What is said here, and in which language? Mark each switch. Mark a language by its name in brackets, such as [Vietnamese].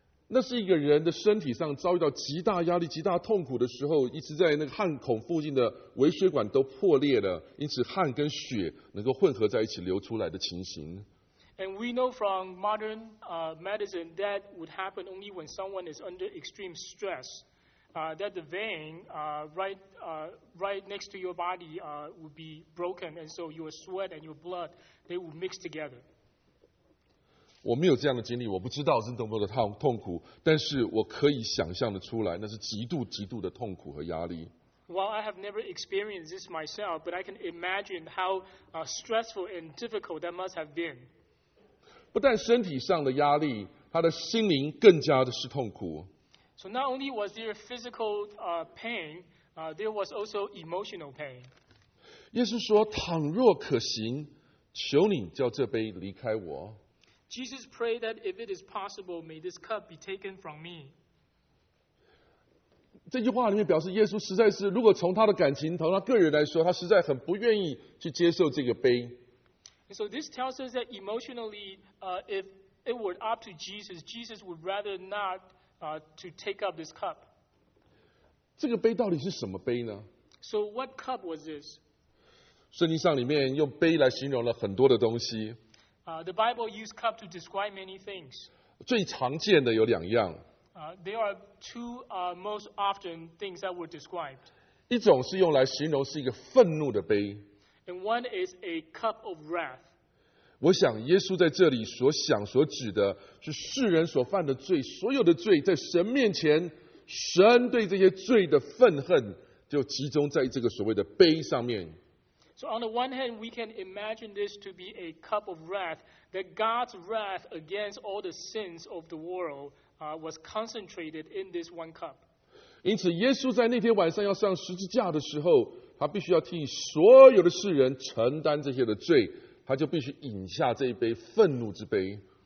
[Chinese] 那是一个人的身体上遭遇到极大压力极大痛苦的时候一直在那个汗孔附近的微血管都破裂了因此汗跟血能够混合在一起流出来的情形。 [English] And we know from modern medicine that would happen only when someone is under extreme stress, that the vein right next to your body would be broken and so your sweat and your blood, they would mix together. [Chinese] 我没有这样的经历我不知道是多么的痛苦但是我可以想象的出来那是极度极度的痛苦和压力。 [English] While I have never experienced this myself, but I can imagine how stressful and difficult that must have been. [Chinese] 不但身体上的压力，他的心灵更加的是痛苦。 [English] So not only was there physical pain, there was also emotional pain. [Chinese] 耶稣说，倘若可行，求你叫这杯离开我。 [English] Jesus prayed that if it is possible, may this cup be taken from me. [Chinese] 这句话里面表示耶稣实在是，如果从他的感情，从他个人来说，他实在很不愿意去接受这个杯。 [English] And so this tells us that emotionally, if it were up to Jesus, Jesus would rather not to take up this cup. [Chinese] 这个杯到底是什么杯呢？ [English] So what cup was this? [Chinese] 圣经上里面用杯来形容了很多的东西。 [English] The Bible used cup to describe many things. [Chinese] 最常见的有两样。 [English] There are two most often things that were described. [Chinese] 一种是用来形容是一个愤怒的杯。 [English] And one is a cup of wrath. [Chinese] 我想耶稣在这里所想所指的是世人所犯的罪，所有的罪在神面前，神对这些罪的愤恨就集中在这个所谓的杯上面。 [English] So on the one hand, we can imagine this to be a cup of wrath, that God's wrath against all the sins of the world was concentrated in this one cup. [Chinese] 因此耶稣在那天晚上要上十字架的时候，他必须要替所有的世人承担这些的罪，他就必须饮下这一杯愤怒之杯。